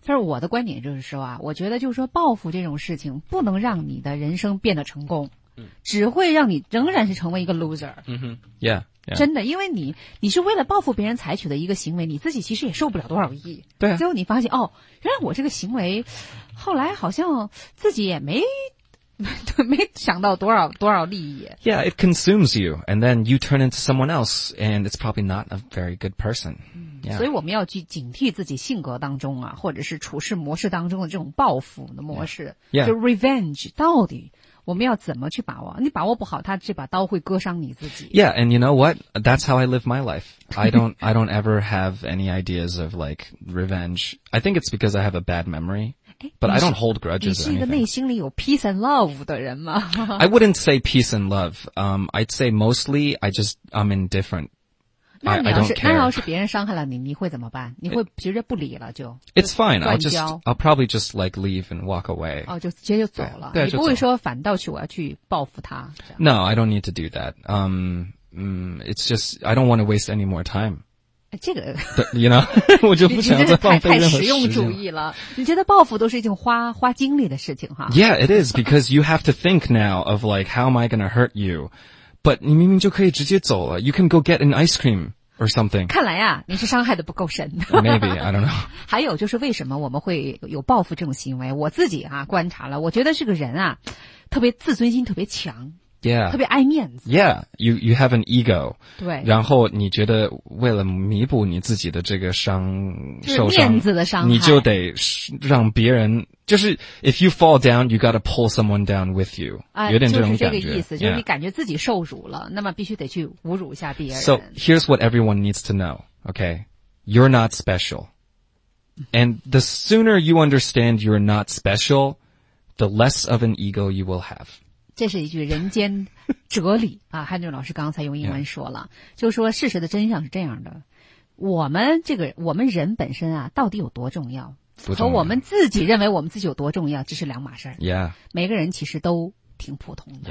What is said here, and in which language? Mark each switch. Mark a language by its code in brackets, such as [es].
[zh] 但是我的观点就是说啊，我觉得就是说报复这种事情不能让你的人生变得成功，只会让你仍然是成为一个 loser。 [en] Mm-hmm. Yeah, yeah. [zh] 真的，因为你是为了报复别人采取的一个行为，你自己其实也受不了多少益。对、啊。最后你发现哦，原来我这个行为后来好像自己也没想到多少利益。 [en] Yeah, it consumes you, and then you turn into someone else, and it's probably not a very good person.、Yeah. [zh] 所以我们要去警惕自己性格当中啊，或者是处事模式当中的这种报复的模式。 [en] Yeah. [zh] Yeah. 就 revenge, 到底我们要怎么去把握？你把握不好，他这把刀会割伤你自己。 [en] Yeah, and you know what? That's how I live my life. I don't ever have any ideas of like revenge. I think it's because I have a bad memory. But I don't hold grudges. [zh] 你是一个内心里有 [en] peace and love [zh] 的人吗？ [en] I wouldn't say peace and love. I'd say mostly I'm indifferent. I don't care. [zh] 那要是别人伤害了你，你会怎么办？你会直接不理了就？ [en] It's fine. I'll probably just like leave and walk away. [zh] 哦，就直接就走了。对，你不会说反倒去我要去报复他。 [en] No, I don't need to do that. It's just I don't want to waste any more time. [zh] 这个你呢 [en] you know, [zh] 我就不想再放飞任何时间。太实用主义了。你觉得报复都是一件花精力的事情哈。 [en] Yeah, it is, because you have to think now of like, how am I going to hurt you? [zh] But 你明明就可以直接走了。 [en] You can go get an ice cream or something. [zh] 看来啊你是伤害的不够深。 [en] Maybe, I don't know. [zh] 还有就是为什么我们会有报复这种行为，我自己啊观察了，我觉得这个人啊特别自尊心特别强。 [en] Yeah. [zh] 特别爱面子。 [en] Yeah, you have an ego. [zh] 对。然后你觉得为了弥补你自己的这个受伤。面子的伤害。你就得让别人，就是 [en] if you fall down, you gotta pull someone down with you.、 [zh] 有点这种感觉。就是这个意思、 [en] yeah. [zh] 就是你感觉自己受辱了，那么必须得去侮辱一下别人。 [en] So, here's what everyone needs to know, okay? You're not special. And the sooner you understand you're not special, the less of an ego you will have. [zh] 这是一句人间哲理啊，汉俊老师刚才用英文说了、yeah. 就说事实的真相是这样的，我们人本身啊到底有多重要，和我们自己认为我们自己有多重要，这是两码事儿。 [en] Yeah. [zh] 每个人其实都挺普通的。